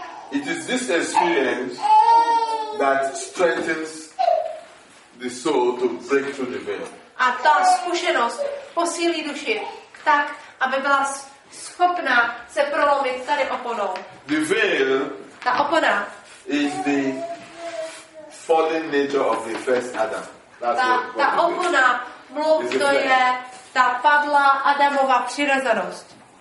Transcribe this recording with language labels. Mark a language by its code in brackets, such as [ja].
[en] It is this experience that strengthens the soul to break through the veil. [cs] A ta zkušenost posílí duši tak, aby byla schopná se prolomit tady oponou. [en] The veil, [cs] ta opona, [en] is the fallen nature of the first Adam. [cs] Ta opona, mluv, to je ta padlá Adamova přirozenost.